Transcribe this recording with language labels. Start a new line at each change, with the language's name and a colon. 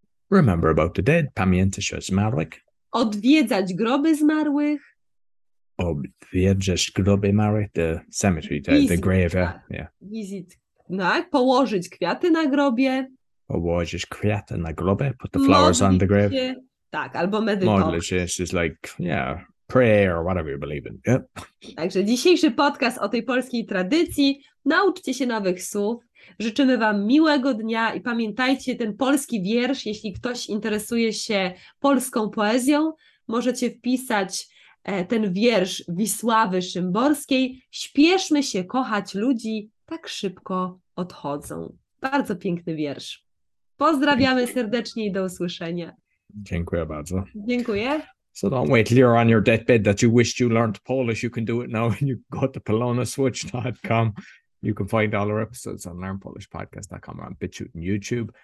English: Remember about the dead.
Polish: Pamiętać o zmarłych. Odwiedzać groby zmarłych. Odwiedzać groby zmarłych.
English: The cemetery, the grave. Yeah. Visit.
Polish: No, położyć kwiaty na grobie. Położyć kwiaty na grobie.
English: Put the flowers on the grave.
Polish: Się, tak, albo medytować. Modlić się.
English: It's just like, yeah, prayer or whatever you believe in. Yep.
Polish: Także dzisiejszy podcast o tej polskiej tradycji. Nauczcie się nowych słów. Życzymy Wam miłego dnia i pamiętajcie, ten polski wiersz, jeśli ktoś interesuje się polską poezją, możecie wpisać ten wiersz Wisławy Szymborskiej. Śpieszmy się kochać ludzi, tak szybko odchodzą. Bardzo piękny wiersz. Pozdrawiamy serdecznie i do usłyszenia. Dziękuję bardzo. Dziękuję.
English: So don't wait till you're on your deathbed that you wished you learned Polish. You can do it now and you go to polonaswitch.com. You can find all our episodes on learnpolishpodcast.com or on BitChute and YouTube.